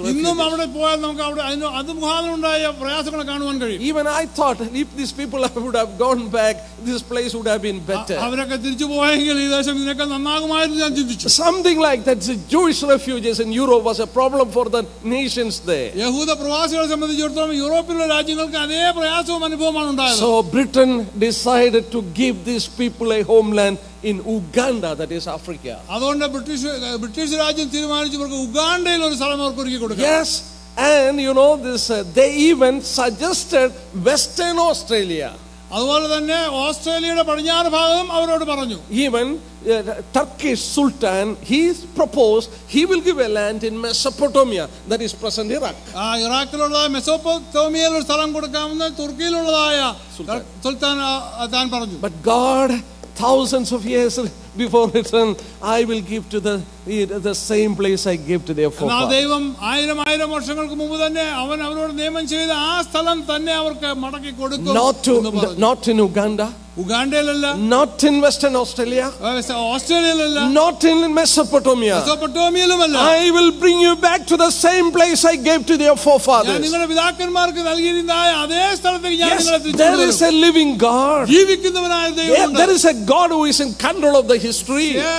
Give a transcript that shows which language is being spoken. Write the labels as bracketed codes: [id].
[en] refugees. Even I thought if these people would have gone back, this place would have been better. Something like that. The Jewish refugees in Europe was a problem for the nations there. [ml] യഹൂദ പ്രവാസികളെ സംബന്ധിച്ചിടത്തോളം യൂറോപ്പിലുള്ള രാജ്യങ്ങൾക്ക് അതേ പ്രയാസവും അനുഭവമാണ് ഉണ്ടായത്. [en] So Britain decided to give these people a homeland in Uganda, that is Africa. [ml] അതുകൊണ്ട് British രാജ്യം തീരുമാനിച്ചു അവർക്ക് ഉഗാണ്ടയിൽ ഒരു സ്ഥലം അവർക്ക് ഒരുക്കി കൊടുക്കുക. [en] Yes. And you know this, they even suggested Western Australia. [ml] അതുപോലെ തന്നെ ഓസ്ട്രേലിയയുടെ പടിഞ്ഞാറ് ഭാഗവും അവരോട് പറഞ്ഞു. [en] Even Turkish Sultan, he proposed he will give a land in Mesopotamia, that is present Iraq. [ml] ഇറാഖിലുള്ള മെസോപ്പൊട്ടേമിയയിൽ ഒരു സ്ഥലം കൊടുക്കാമെന്ന് തുർക്കിയിലുള്ളതായ സുൽത്താൻ താൻ പറഞ്ഞു. [en] But God, thousands of years before written, I will give to the same place I gave to their forefathers. [ml] നാ ദൈവം ആയിരം ആയിരം വർഷങ്ങൾക്ക് മുമ്പ് തന്നെ അവൻ അവരോട് നിയമം ചെയ്ത ആ സ്ഥലം തന്നെ അവർക്ക് മടക്കി കൊടുക്കും. [en] Not in Uganda. [ml] ഉഗാണ്ടയിലല്ല. [en] Not in Western Australia. [ml] ഓസ്ട്രേലിയയിലല്ല. [en] Not in Mesopotamia. [ml] മെസോപ്പൊട്ടേമിയയിലുമല്ല. [en] I will bring you back to the same place I gave to their forefathers. [ml] ഞാൻ നിങ്ങളുടെ പിതാക്കന്മാർക്ക് നൽകിയിരുന്ന അതേ സ്ഥലത്തേക്ക് ഞാൻ നിങ്ങളെ തിരിച്ചു. [en] There is a living God. [ml] ജീവിക്കുന്നവനായ ദൈവമുണ്ട്. [en] There is a God who is in control of the history.